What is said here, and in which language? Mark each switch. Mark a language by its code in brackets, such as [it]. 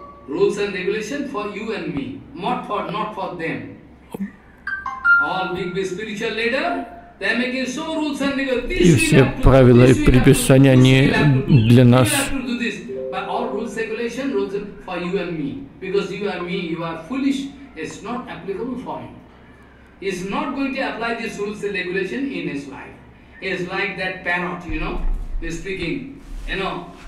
[en] Rules and regulations for you and me, not for them. All big spiritual leader, they making so rules and regulations. [ru] И все правила и предписания не для нас. [en] But all rules regulation rules for you and me, because you and me, you are foolish. It's not applicable for him. He's not going to apply these rules and regulation in his life. It's like that parrot, you know, he's speaking, you know.